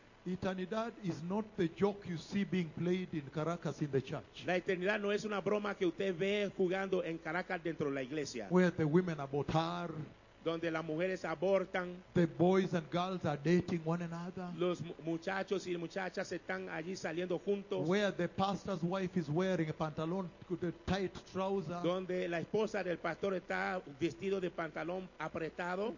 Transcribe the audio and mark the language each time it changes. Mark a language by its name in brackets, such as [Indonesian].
[English] Eternidad is not the joke you see being played in Caracas in the church. [Spanish] La eternidad no es una broma que usted ve jugando en Caracas dentro de la iglesia. [English] Where the women abortar. [Spanish] Donde las mujeres abortan. [English] The boys and girls are dating one another. [Spanish] Los muchachos y muchachas están allí saliendo juntos. [English] Where the pastor's wife is wearing a pantalón with a tight trouser. [Spanish] Donde la esposa del pastor está vestido de pantalón apretado.